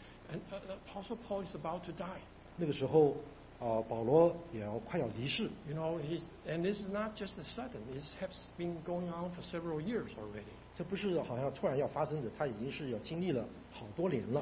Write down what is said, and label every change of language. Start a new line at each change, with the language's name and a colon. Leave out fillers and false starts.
English: Apostle Paul is about to die.
Chinese: 那个时候，保罗也要快要离世。
English: You know, this is not just a sudden. This has been going on for several years already.
Chinese: 这不是好像突然要发生的，他已经是要经历了好多年了。